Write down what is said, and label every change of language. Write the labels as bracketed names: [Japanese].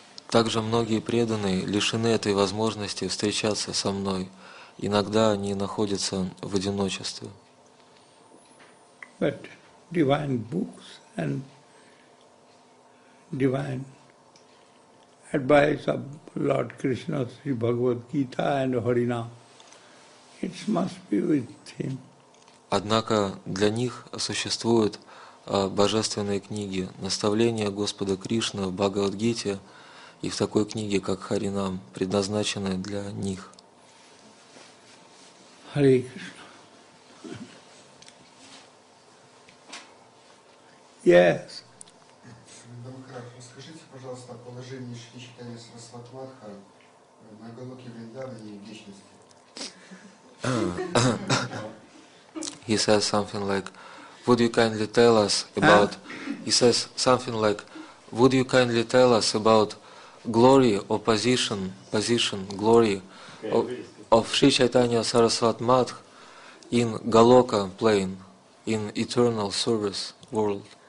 [Russian] Также многие преданные лишены этой возможности встречаться со мной. Иногда они находятся в одиночестве. [English] But divine books and divine advice of Lord Krishna, Sri Bhagavad Gita and Harinam, it must be with him. [Russian] Однако для них существуют божественные книги, наставления Господа Кришны в Бхагавад-гите и в такой книге, как Харинам, предназначенной для них. [English] Hare Krishna. Yes. [Russian] Расскажите, пожалуйста, о положении Шри Чайтаньи Сарасватмадха на Голоке Вриндаване и в вечности. [English] He says something like, would you kindly tell us about... He says something like, would you kindly tell us about glory or position glory of Sri Chaitanya Sarasvatmadh in Galoka plane, in eternal service world.